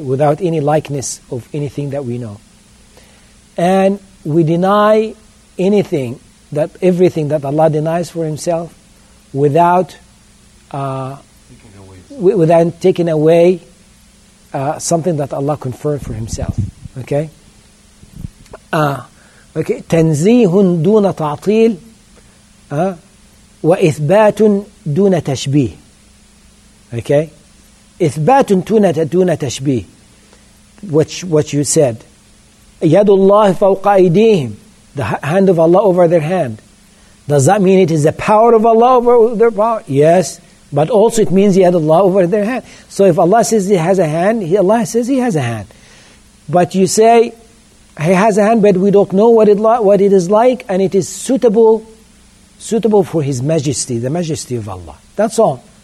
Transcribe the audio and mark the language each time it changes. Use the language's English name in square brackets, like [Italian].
[English] Without any likeness of anything that we know. And we deny everything that Allah denies for Himself without taking away something that Allah conferred for Himself. Okay? [Arabic] Okay, تنزيه دون تعطيل وإثبات دون تشبيه. Okay, إثبات دون تشبيه. [English] What you said, [Arabic] يد الله فوق أيديهم, [English] the hand of Allah over their hand. Does that mean it is the power of Allah over their power? Yes, but also it means [Arabic] يد الله [English] over their hand. So if Allah says He has a hand, Allah says He has a hand. But you say, He has a hand, but we don't know what it is like, and it is suitable for His Majesty, the Majesty of Allah. That's all.